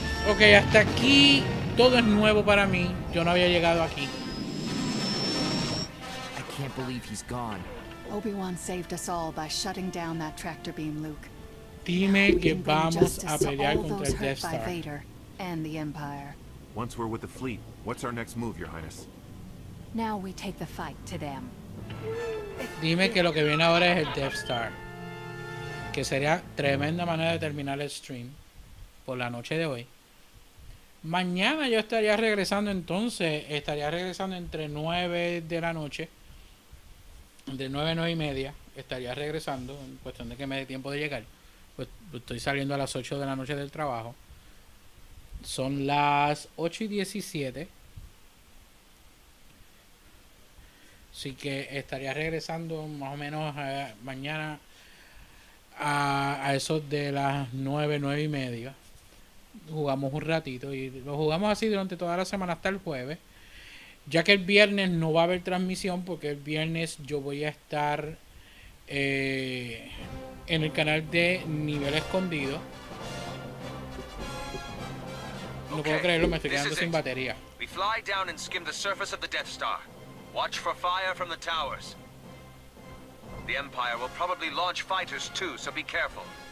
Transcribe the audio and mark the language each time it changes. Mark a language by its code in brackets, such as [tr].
[es] Ok, hasta aquí todo es nuevo para mí. Yo no había llegado aquí. [en] I can't believe he's gone. Obi-Wan saved us all by shutting down that tractor beam, Luke. [es] Dime que vamos a pelear contra el Death Star. [en] Vader and the Empire. Once we're with the fleet, what's our next move, Your Highness? Now we take the fight to them. [es] Dime que lo que viene ahora es el Death Star. Que sería tremenda manera de terminar el stream por la noche de hoy. Mañana yo estaría regresando entonces, entre 9 de la noche, entre 9 y 9 y media, estaría regresando, en cuestión de que me dé tiempo de llegar, pues estoy saliendo a las 8 de la noche del trabajo, son las 8 y 17, así que estaría regresando más o menos mañana a eso de las 9, 9 y media. Jugamos un ratito y lo jugamos así durante toda la semana hasta el jueves, ya que el viernes no va a haber transmisión porque el viernes yo voy a estar en el canal de Nivel Escondido. No puedo creerlo, me estoy quedando sin batería. [en] We fly down and skim the surface of the Death Star. Watch for fire from the towers. The Empire will probably launch fighters too, so be careful.